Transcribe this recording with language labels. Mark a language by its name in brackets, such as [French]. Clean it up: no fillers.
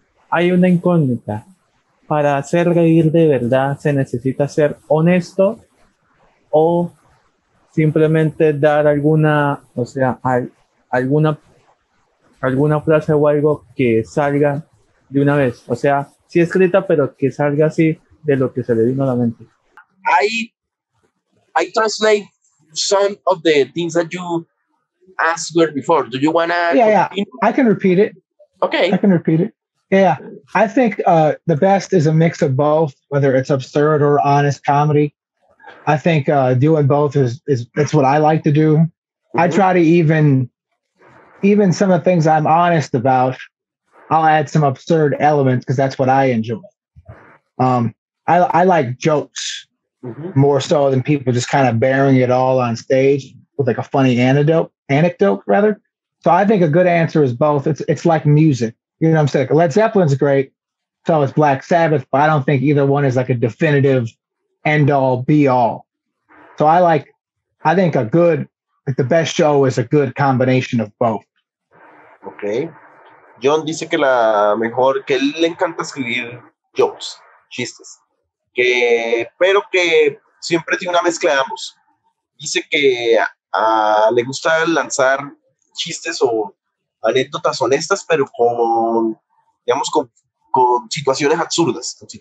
[Spanish] Hay una incógnita. Para hacer reír de verdad, ¿se necesita ser honesto o simplemente dar alguna, o sea, alguna frase o algo que salga de una vez? O sea, sí escrita, pero que salga así de lo que se le vino a la mente. [English] I translate some of the things that you asked before. Do you want to? Yeah. I can repeat it. Okay. I can repeat it. Yeah, I think the best is a mix of both, whether it's absurd or honest comedy. I think doing both is it's what I like to do. Mm-hmm. I try to even some of the things I'm honest about, I'll add some absurd elements because that's what I enjoy. I like jokes mm-hmm. more so than people just kind of bearing it all on stage with like a funny anecdote. So I think a good answer is both. It's like music. You know what I'm saying? Led Zeppelin's great. So is Black Sabbath, but I don't think either one is like a definitive end all be all. So I think the best show is a good combination of both. Okay. [Spanish] John dice que la mejor, que le encanta escribir jokes, chistes. Que, pero que siempre tiene una mezcla de ambos. Dice que le gusta lanzar chistes o anécdotas honestas, pero con situaciones absurdas.